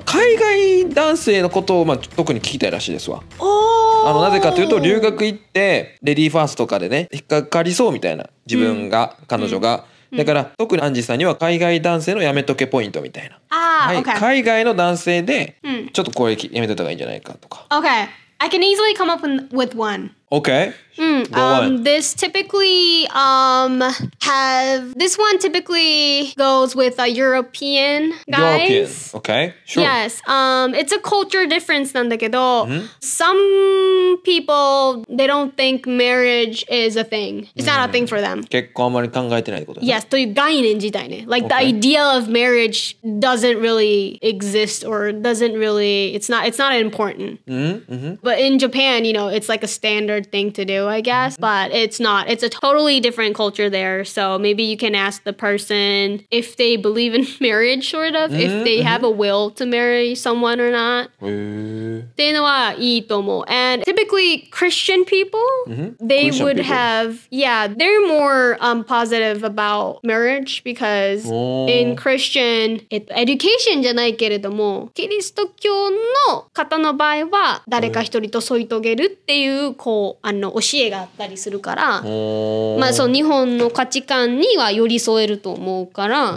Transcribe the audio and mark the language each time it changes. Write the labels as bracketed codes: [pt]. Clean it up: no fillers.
[ja] 海外男性のことを、まあ、特に聞きたいらしいですわ。おー、あのなぜかというと、留学行ってレディーファーストとかでね引っかかりそうみたいな、自分が、うん、彼女が、うん、だから、うん、特にアンジーさんには海外男性のやめとけポイントみたいな、あー、はい、 [en] okay. 海外の男性でちょっとこれやめといた方がいいんじゃないかとか。 OK, I can easily come up with one. OK、 This typically this one typically goes with a European guys. European, OK, sure. Yes, it's a culture difference [ja] なんだけど、 [en] Some people, they don't think marriage is a thing. It's not a thing for them. [ja] 結婚あまり考えてないってことですね。 [en] Yes, [ja] という概念自体ね。 [en] Like, okay. The idea of marriage doesn't really exist or doesn't really, it's not important. Mm-hmm. But in Japan, you know, it's like a standard thing to do, I guess. Mm-hmm. But it's not. It's a totally different culture there. So maybe you can ask the person if they believe in marriage, sort of, mm-hmm. if they have a will to marry someone or not. [ja] っていうのはいいと思う。 [en] And typically, Christian people, they would have, yeah, they're more positive about marriage because in Christian, education [ja] じゃないけれども、キリスト教の方の場合は、誰か一人と添い遂げるっていう、こう、あの、教えがあったりするから、まあ、その日本の価値観には寄り添えると思うから、